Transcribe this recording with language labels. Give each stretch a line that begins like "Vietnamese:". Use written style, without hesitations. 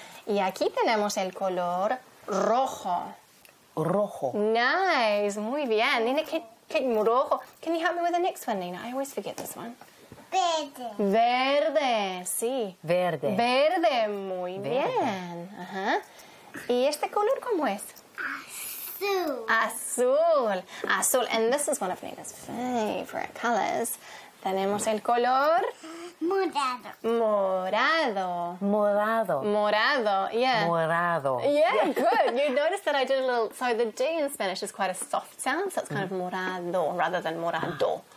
Spanish: Y aquí tenemos el color rojo. Rojo. Nice, muy bien.
English: Nina, can you help me with the next one, Nina? I always forget this one.
Spanish: Verde. Verde, sí. Verde. Verde, muy bien. Uh-huh. ¿Y este color cómo es? Azul. Azul. Azul.
English: And this is one of Nina's favorite colors.
Spanish: Tenemos el color morado. Morado. Morado. Morado, yeah. Morado.
English: Yeah, good. You noticed that I did a little. So the D in Spanish is quite a soft sound, so it's kind of morado rather than morado.